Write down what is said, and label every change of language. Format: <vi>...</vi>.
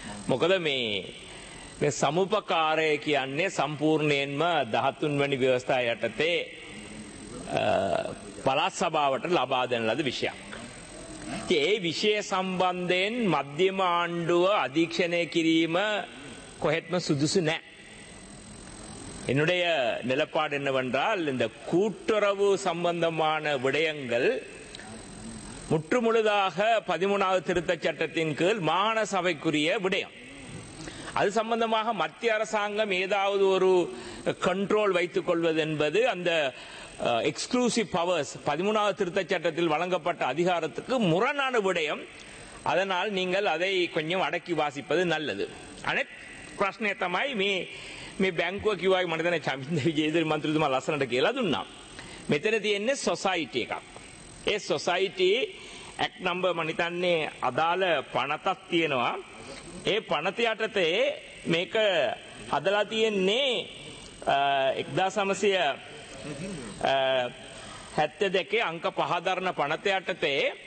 <si>මොකද මේ සමුපකාරය කියන්නේ සම්පූර්ණයෙන්ම 13 වැනි ව්‍යවස්ථා යටතේ පළාත් සභාවට ලබා දෙන ලද විෂයක්. ඒ විෂය සම්බන්ධයෙන් මධ්‍යම ආණ්ඩුව අධීක්ෂණය කිරීම කොහෙත්ම සුදුසු නෑ.</si> <ta>என்னுடைய நிலப்பாடு என்னவென்றால், இந்த கூட்டுறவு சம்பந்தமான விடயங்கள் முற்றுமுழுதாக 13வது திருத்தச் சட்டத்தின் கீழ் மாகாண சபைக்குரிய விடயம். அது சம்பந்தமாக மத்திய அரசாங்கம் ஏதாவது ஒரு கண்ட்ரோல் வைத்துக் கொள்வது என்பது அந்த எக்ஸ்க்ளூசிவ் பவர்ஸ் 13வது திருத்தச் சட்டத்தில் வழங்கப்பட்ட அதிகாரத்துக்கு முரணான விடயம். அதனால் நீங்கள் அதை கொஞ்சம் அடக்கி வாசிப்பது நல்லது.</ta> <si>பிரஸ்னேத்தமாய் மீ මේ බැංකුව කිව්වයි මට දැන චමින්ද විජේදිරි මන්ත්‍රීතුමා ලස්සනට කියලා දුන්නා. මෙතන තියෙන්නේ සොසයිටි එකක්. ඒ සොසයිටි ඇක්ට් නම්බර් මං හිතන්නේ අදාළ පනතක් තියෙනවා. ඒ පනත යටතේ මේක හදලා තියෙන්නේ 1972 අංක 5 දරන පනත යටතේ.</si>